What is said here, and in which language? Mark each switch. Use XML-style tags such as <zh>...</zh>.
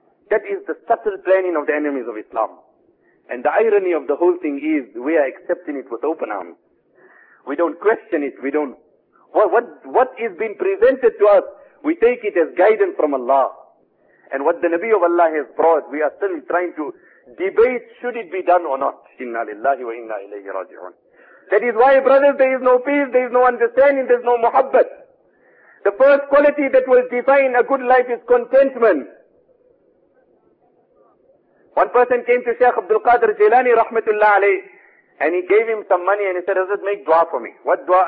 <en>That is the subtle planning of the enemies of Islam. And the irony of the whole thing is, we are accepting it with open arms. We don't question it, we don't... What is being presented to us, we take it as guidance from Allah. And what the Nabi of Allah has brought, we are still trying to debate, should it be done or not.</en> <ar>إنا لله وإنا إليه راجعون.</ar> <en>That is why, brothers, there is no peace, there is no understanding, there is no muhabbat. The first quality that will define a good life is contentment. One person came to Shaykh Abdul Qadir Jilani, rahmatullah alayh, and he gave him some money and he said, Hazrat, make dua for me. What dua?</en>